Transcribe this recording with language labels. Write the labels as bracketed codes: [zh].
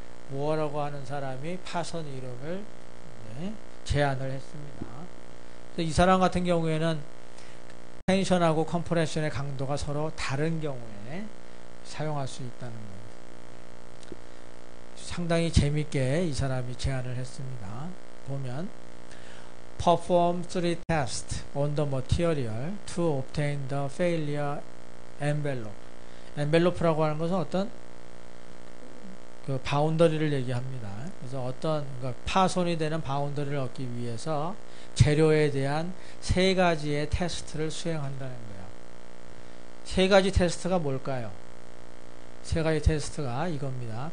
[ko] 모어라고 하는 사람이 파손 이론을 제안을 했습니다. 그래서 이 사람 같은 경우에는 텐션하고 컴프레션의 강도가 서로 다른 경우에 사용할 수 있다는 겁니다. 상당히 재밌게 이 사람이 제안을 했습니다. 보면 [en] Perform three tests on the material to obtain the failure envelope. [ko] envelope라고 하는 것은 어떤 그 바운더리를 얘기합니다. 그래서 어떤 그 파손이 되는 바운더리를 얻기 위해서 재료에 대한 세 가지의 테스트를 수행한다는 거예요. 세 가지 테스트가 뭘까요? 세 가지 테스트가 이겁니다.